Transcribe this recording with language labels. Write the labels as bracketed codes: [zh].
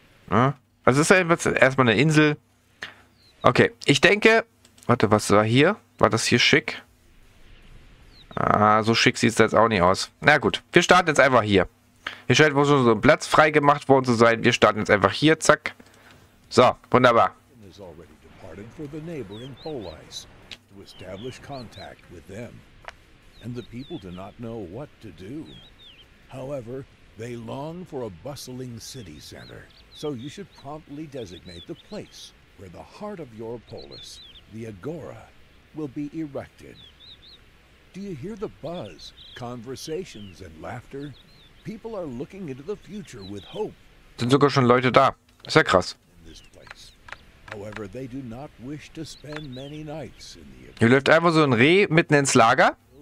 [de] Ja, also es ist erstmal eine Insel. Okay, ich denke... Warte, was war hier? War das hier schick? Ah, so schick sieht es jetzt auch nicht aus. Na gut, wir starten jetzt einfach hier. Hier scheint wohl so ein Platz frei gemacht worden zu sein. Wir starten jetzt einfach hier, zack. So, wunderbar. [en] For the neighboring Polis to establish contact with them, and the people do not know what to do. However, they long for a bustling city center, so you should promptly designate the place where the heart of your polis, the Agora, will be erected. Do you hear the buzz, conversations and laughter? People are looking into the future with hope. [de] Sind sogar schon Leute da. Ist ja krass. [en] However, they do not wish to spend many nights in the... [de] Hier läuft einfach so ein Reh mitten ins Lager.